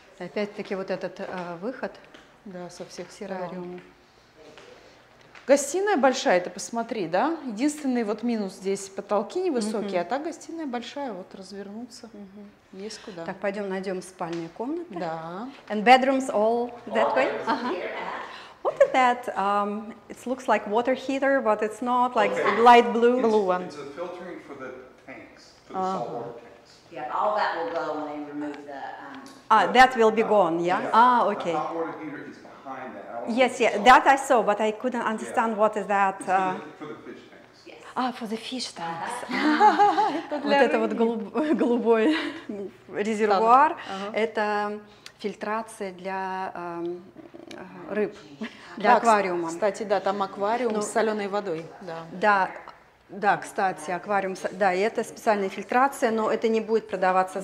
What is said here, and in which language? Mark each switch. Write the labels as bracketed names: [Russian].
[Russian] Опять-таки вот этот выход. Да, со всех террариумов. Гостиная большая, ты посмотри, да? Единственный вот минус здесь, потолки невысокие, угу. а так гостиная большая, вот развернуться, угу. есть куда. Так, пойдем найдем спальные комнаты. Да. [English] And bedrooms all that way? Uh-huh. What is that? It looks like water heater, but it's not like okay. light blue. It's, blue one. It's a filtering for the tanks, for the saltwater tanks. Yeah, all that will go when they remove the... That will be gone, yeah? Yeah. Ah, okay. The hot water heater is Yes, yeah, that I saw, but I couldn't understand what is that. For the fish tanks. Yes. Ah, for the fish tanks. [Russian] Вот это вот голубой резервуар, это фильтрация для рыб, для аквариума. Кстати, да, там аквариум с соленой водой. Да, кстати, аквариум, да, и это специальная фильтрация, но это не будет продаваться с